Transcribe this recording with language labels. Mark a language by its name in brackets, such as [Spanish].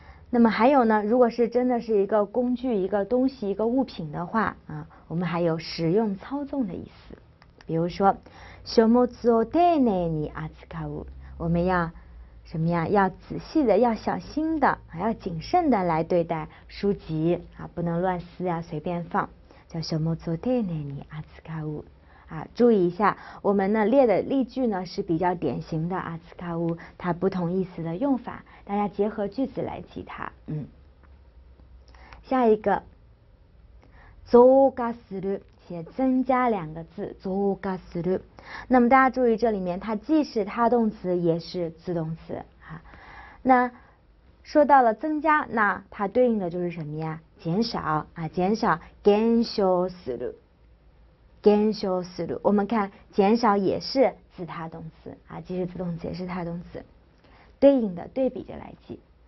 [Chinese] 那么还有呢，如果是真的是一个工具、一个东西、一个物品的话啊，我们还有使用操纵的意思，比如说 [Japanese] 書物を丁寧に扱う， [Chinese] 我们要什么呀，要仔细的、要小心的、要谨慎的来对待书籍啊，不能乱撕啊，随便放，叫什么做 [Japanese] 丁寧に扱う [Chinese] 啊，注意一下，我们呢列的例句呢是比较典型的啊，斯卡乌它不同意思的用法，大家结合句子来记它。下一个， [Japanese] 増加する， [Chinese] 写增加两个字，増加する。那么大家注意，这里面它既是他动词，也是自动词啊。那说到了增加，那它对应的就是什么呀？减少啊，减少， [Japanese] 減少する。 [Chinese] 减少する，我们看减少也是自他动词啊，既是自动词也是他动词，对应的对比着来记。